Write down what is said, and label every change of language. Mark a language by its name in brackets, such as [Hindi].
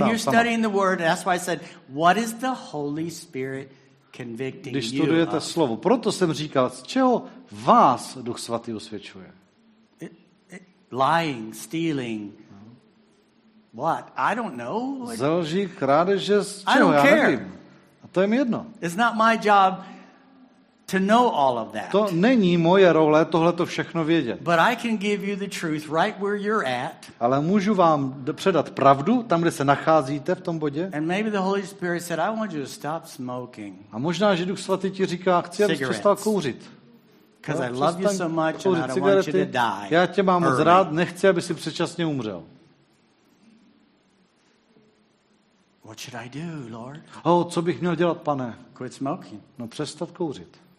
[English] When you're studying the word, that's why I said, what is the Holy Spirit convicting you? [Czech] Když studujete slovo, proto jsem říkal, z čeho vás Duch svatý osvědčuje? [English] Lying, stealing. What? I don't know. [Czech] Zelží, krádeže, z čeho? Já nevím. A to je mi jedno. [English] It's not my job to know all of that. [Czech] To není moje role tohle to všechno vědět. [English] But I can give you the truth right where you're at. [Czech] Ale můžu vám předat pravdu tam, kde se nacházíte v tom bodě. [English] And maybe the Holy Spirit said, I want you to stop smoking. [Czech] A možná že Duch svatý ti říká, chci, abys přestal kouřit. [English] Because I love you so much and I don't want you to die. [Czech] Já tě mám moc rád, nechci, aby si předčasně umřel. [English] What should I do, Lord? [Czech] Oh, co bych měl dělat, pane? [English] Quit smoking. [Czech] No, přestat kouřit.